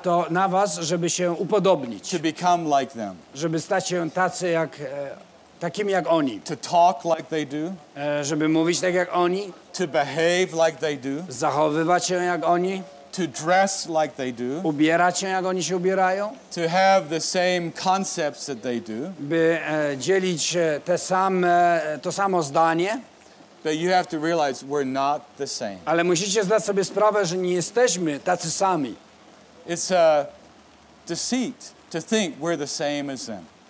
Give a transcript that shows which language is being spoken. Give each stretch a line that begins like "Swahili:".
Polish: Na was, żeby się upodobnić.
English: To become like them.
Polish: Żeby stać się tacy jak takimi jak oni.
English: To talk like they do.
Polish: Żeby mówić tak jak oni.
English: To behave like they do.
Polish: Zachowywać się jak oni.
English: To dress like they do.
Polish: Ubierać się, jak oni się ubierają.
English: To have the same concepts that they do.
Polish: By dzielić to samo zdanie.
English: But you have to realize we're not the same.
Polish: Ale musicie zdać sobie sprawę, że nie jesteśmy tacy sami.
English: It's a deceit to think we're the same as them.